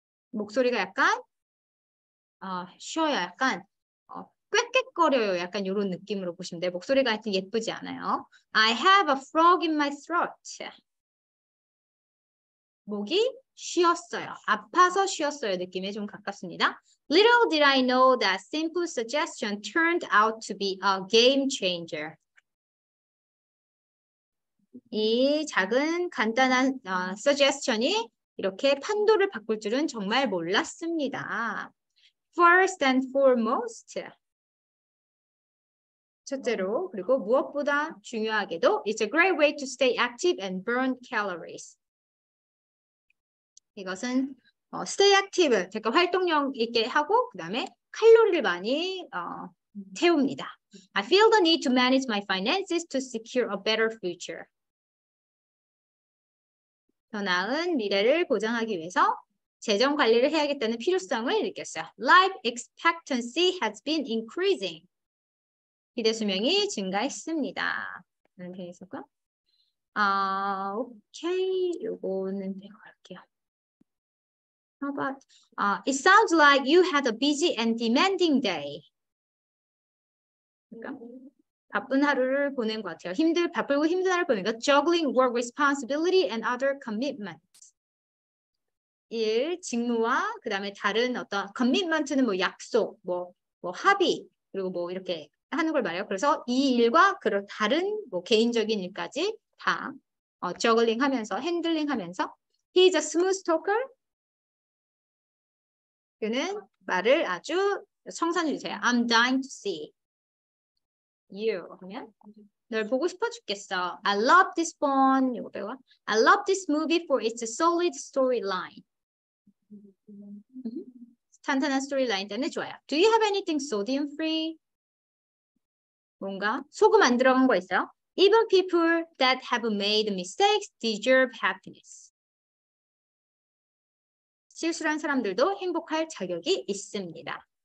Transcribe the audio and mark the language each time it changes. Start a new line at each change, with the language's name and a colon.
Korean: 목소리가 약간 쉬어요. 약간 꽥꽥거려요. 약간 이런 느낌으로 보시면 돼요. 목소리가 하여튼 예쁘지 않아요.
English: I have a frog in my throat.
Korean: 목이 쉬었어요. 아파서 쉬었어요 느낌에 좀 가깝습니다.
English: Little did I know that simple suggestion turned out to be a game changer.
Korean: 이 작은 간단한 suggestion이 이렇게 판도를 바꿀 줄은 정말 몰랐습니다.
English: First and foremost.
Korean: 첫째로 그리고 무엇보다 중요하게도
English: It's a great way to stay active and burn calories.
Korean: 이것은
English: stay active,
Korean: 그러니까 활동력 있게 하고 그 다음에 칼로리를 많이 태웁니다.
English: I feel the need to manage my finances to secure a better future.
Korean: 더 나은 미래를 보장하기 위해서 재정 관리를 해야겠다는 필요성을 느꼈어요.
English: Life expectancy has been increasing.
Korean: 기대 수명이 증가했습니다. 라는 표현이 있을까요? 오케이, 요거는 내가 할게요.
English: How about, it sounds like you had a busy and demanding day.
Korean: 그러니까 바쁜 하루를 보낸 것 같아요. 힘들, 바쁘고 힘든 하루를 보니까
English: juggling work responsibility and other commitments.
Korean: 일, 직무와 그 다음에 다른 어떤 commitment는 뭐 약속, 뭐 합의, 그리고 뭐 이렇게 하는 걸 말해요. 그래서 이 일과 그런 다른 뭐 개인적인 일까지 다 juggling 하면서, handling 하면서.
English: He is a smooth talker.
Korean: 그는 말을 아주 청산해주세요.
English: I'm dying to see you.
Korean: 하면 널 보고 싶어 죽겠어.
English: I love this one.
Korean: 이거 배워.
English: I love this movie for its solid storyline.
Korean: 탄탄한 스토리라인 때문에 좋아요.
English: Do you have anything sodium free?
Korean: 뭔가 소금 안 들어간 거 있어요?
English: Even people that have made mistakes deserve happiness.
Korean: 실수한 사람들도 행복할 자격이 있습니다.